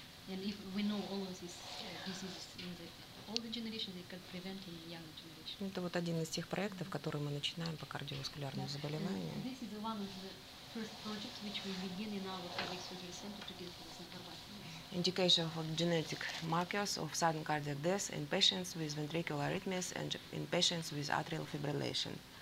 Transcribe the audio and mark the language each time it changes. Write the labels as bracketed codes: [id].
[en] And if we know all of these diseases in the older generation, they can prevent in the younger generation. [ru] Это вот один из тех проектов, который мы начинаем по кардиоваскулярным заболеваниям. [en] This is one of the first projects which we begin in our cardiac surgery center to get this information. Indication of genetic markers of sudden cardiac death in patients with ventricular arrhythmias and in patients with atrial fibrillation.